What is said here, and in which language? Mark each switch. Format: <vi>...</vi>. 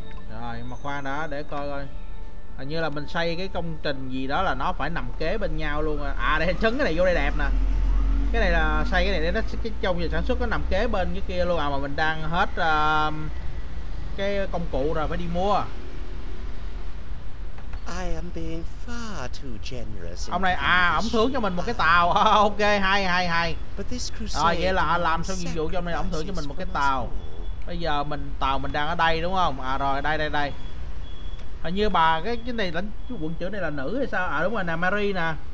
<vi>Rồi mà khoan đã, để coi coi. hình như là mình xây cái công trình gì đó là nó phải nằm kế bên nhau luôn. À đây trấn cái này vô đây đẹp nè, cái này là xây cái này để nó cái trong việc sản xuất nó nằm kế bên cái kia luôn. À mà mình đang hết cái công cụ rồi, phải đi mua.</vi> <en>I am being far too generous.</en> <vi>Ông này à, ổng thưởng cho mình một cái tàu. Ok, hay hay hay. Rồi vậy là làm xong nhiệm vụ cho ông này, ổng thưởng cho mình một cái tàu. Bây giờ mình tàu mình đang ở đây đúng không? À rồi, đây đây đây. Hình như bà cái này lãnh chú quận trưởng này là nữ hay sao? À đúng rồi nè, Mary nè.</vi>